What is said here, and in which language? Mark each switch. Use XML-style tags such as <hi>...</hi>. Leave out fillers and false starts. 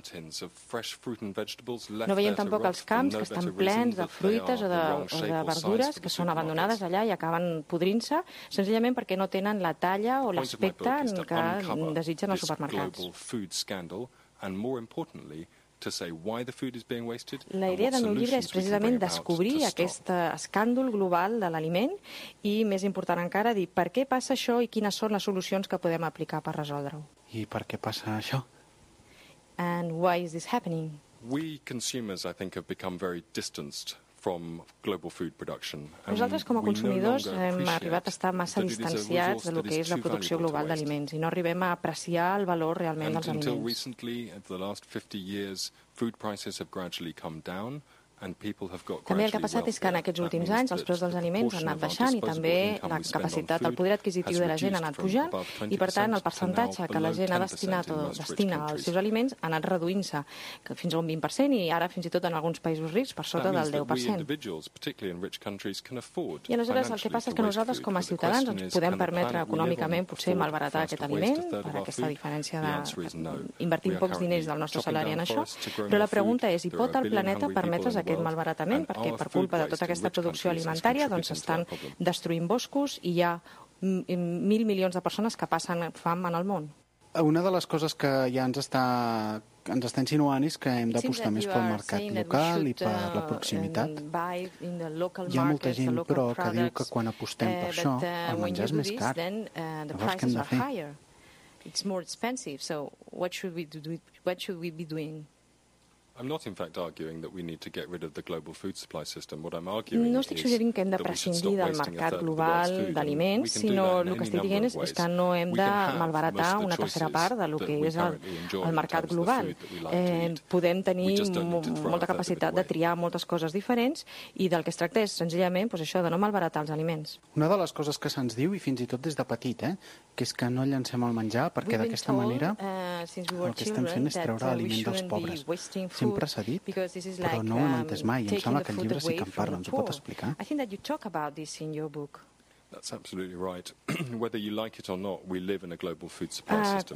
<ca>No veiem tampoc els camps que estan plens de fruites o de verdures que són abandonades allà i acaben podrint-se senzillament perquè no tenen la talla o l'aspecte que desitgen els supermercats. La idea del meu llibre és precisament descobrir aquest escàndol global de l'aliment i, més important encara, dir per què passa això i quines són les solucions que podem aplicar per resoldre-ho. I per què passa això?</ca> <en>And why is this happening? We consumers, I think, have become very distanced from global food production.</en> <ca>Nosaltres com a consumidors hem arribat a estar massa distanciats de lo que és la producció global d'aliments i no arribem a apreciar el valor realment dels aliments.</ca> <en>Until recently, in the last 50 years, food prices have gradually come down.</en> <ca>També el que ha passat és que en aquests últims anys els preus dels aliments han anat baixant i també la capacitat, el poder adquisitiu de la gent ha anat pujant i, per tant, el percentatge que la gent ha destinat o destina als seus aliments ha anat reduint-se fins a un 20% i ara fins i tot en alguns països rics per sota del 10%. I aleshores el que passa és que nosaltres com a ciutadans ens podem permetre econòmicament potser malbaratar aquest aliment per aquesta diferència d'invertir pocs diners del nostre salari en això, però la pregunta és, hi pot el planeta permetre's aquest malbaratament, perquè per culpa de tota aquesta producció alimentària doncs estan destruint boscos i hi ha 1.000 milions de persones que passen fam en el món. Una de les coses que ja ens està insinuant és que hem d'apostar més pel mercat local i per la proximitat. Hi ha molta gent, però, que diu que quan apostem per això, el menjar és més car. Llavors, què hem de fer?</ca> <en>It's more expensive, so what should we be doing?</en> <ca>No estic suggerint que hem de prescindir del mercat global d'aliments, sinó el que estic dient és que no hem de malbaratar una tercera part del que és el mercat global. Podem tenir molta capacitat de triar moltes coses diferents i del que es tracta és, senzillament, doncs això, de no malbaratar els aliments. Una de les coses que se'ns diu, i fins i tot des de petit, que és que no llancem el menjar perquè d'aquesta manera el que estem fent és treure l'aliment dels pobres. Sempre s'ha dit, però no ho hem entès mai. Em sembla que el llibre sí que en parla, ens ho pot explicar?</ca> <en>I think that you talk about this in your book. That's absolutely right. Whether you like it or not, we live in a global food supply system.</en>